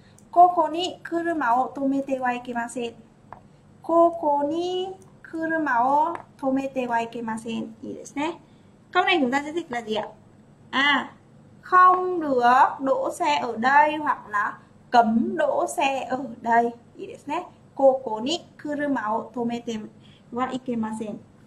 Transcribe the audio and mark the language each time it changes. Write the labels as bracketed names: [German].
[Japanese] ここに車を止めてはいけません。ここに車を止めてはいけません。いいですね。 [Vietnamese] câu này chúng ta sẽ dịch là gì ạ? À, không được đỗ xe ở đây hoặc là cấm đỗ xe ở đây. [Japanese] いいですね。ここに車を止めてはいけません。